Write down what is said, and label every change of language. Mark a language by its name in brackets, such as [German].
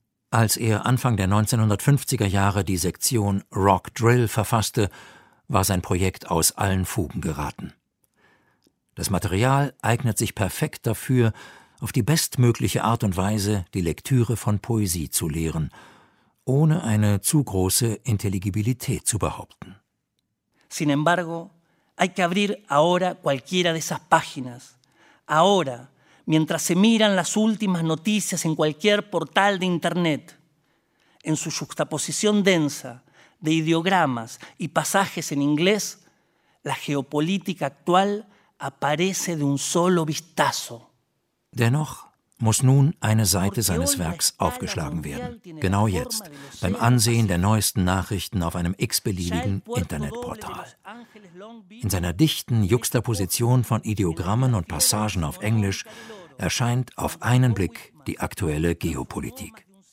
[German] Als er Anfang der 1950er Jahre die Sektion Rock Drill verfasste, war sein Projekt aus allen Fugen geraten. Das Material eignet sich perfekt dafür, auf die bestmögliche Art und Weise die Lektüre von Poesie zu lehren, ohne eine zu große Intelligibilität zu behaupten. [Spanish] Sin embargo, hay que abrir ahora cualquiera de esas páginas. Ahora, mientras se miran las últimas noticias en cualquier portal de Internet, en su juxtaposición densa de ideogramas y pasajes en inglés, la geopolítica actual aparece de un solo vistazo. [German] Dennoch muss nun eine Seite seines Werks aufgeschlagen werden, genau jetzt, beim Ansehen der neuesten Nachrichten auf einem x-beliebigen Internetportal. In seiner dichten Juxtaposition von Ideogrammen und Passagen auf Englisch erscheint auf einen Blick die aktuelle Geopolitik.